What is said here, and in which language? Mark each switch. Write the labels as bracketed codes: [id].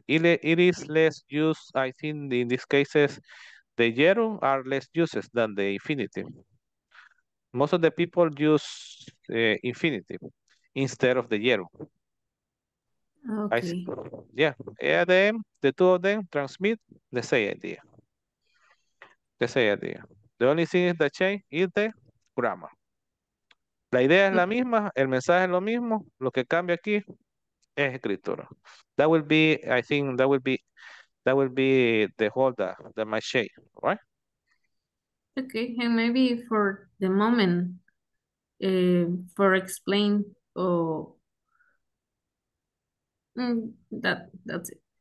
[en] It is less used, I think, in these cases, the gerund are less used than the infinitive. Most of the people use infinitive. instead of the yellow. Okay. Yeah, them, the two of them transmit the same idea. The same idea. The only thing is the change is the grammar. [es] La idea es la misma, el mensaje es lo mismo, lo que cambia aquí es escritura. [en] That will be, I think that will be the holder, the mache, right? Okay, and maybe for the moment, for explain, that's it.